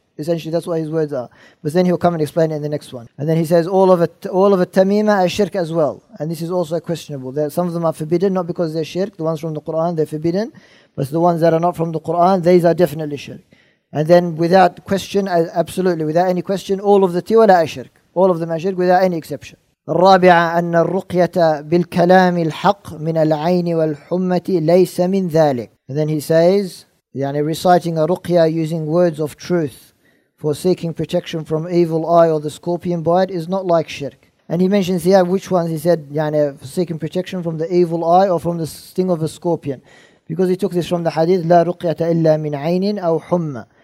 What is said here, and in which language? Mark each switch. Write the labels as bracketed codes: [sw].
[en] Essentially, that's what his words are. But then he'll come and explain it in the next one. And then he says all of it tamima are shirk as well. And this is also questionable. That some of them are forbidden, not because they're shirk. The ones from the Qur'an, they're forbidden. But the ones that are not from the Qur'an, these are definitely shirk. And then without question, absolutely, without any question, all of the tiwala ashirk, all of them ashirk without any exception. [ar] الرابعة أن الرقية بالكلام الحق من العين والحمة ليس من ذلك. [en] And then he says, يعني reciting a ruqya using words of truth for seeking protection from evil eye or the scorpion bite is not like shirk. And he mentions here which ones he said, يعني seeking protection from the evil eye or from the sting of a scorpion. Because he took this from the hadith, [ar] لا رقية إلا من عين أو حمى.